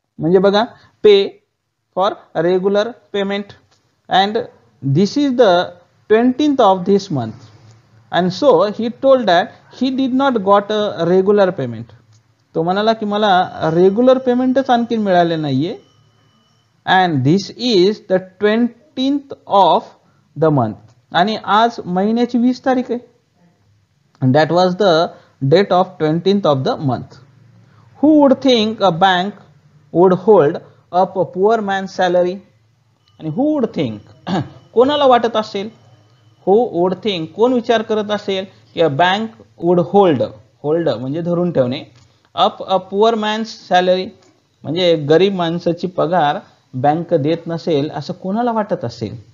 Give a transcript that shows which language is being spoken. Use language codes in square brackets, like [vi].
[mr] म्हणजे बघा, [en] pay for regular payment, and this is the 20th of this month, and so he told that he did not got a regular payment, [mr] तो म्हणाला की मला regular पेमेंटच आणखीन मिळालेलं नाही आहे. [en] And this is the 20th of the month. [mr] आणि आज महिन्याची 20 तारीख आहे. [en] And that was the date of 20th of the month. Who would think a bank would hold up a poor man's salary? आणि who would think? [mr] कोणाला वाटत असेल? [en] Who would think? [mr] कोण विचार करत असेल की [en] a bank would hold [mr] म्हणजे धरून ठेवणे, [en] up a poor man's salary [mr] म्हणजे गरीब माणसाची पगार बँक देत नसेल असं कोणाला वाटत असेल.